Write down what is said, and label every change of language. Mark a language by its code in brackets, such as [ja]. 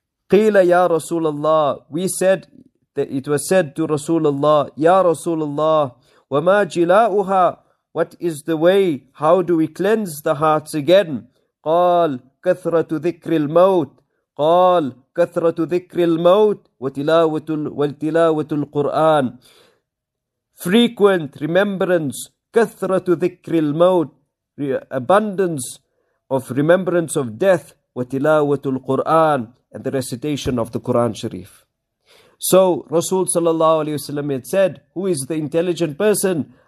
[ar] Qila ya Rasulullah, [en] we said that it was said to Rasulullah, "Ya Rasulullah, [ar] wa ma jila'uha," [en] what is the way, how do we cleanse the hearts again? [ar] قال كثرة ذكر الموت قال كثرة ذكر الموت وتلاوة القرآن. [en] Frequent remembrance, [ar] كثرة ذكر الموت, [en] abundance of remembrance of death, [ar] وتلاوة القرآن, [en] and the recitation of the Quran Sharif. So Rasul [ar] صلى الله عليه وسلم [en] had said, who is the intelligent person?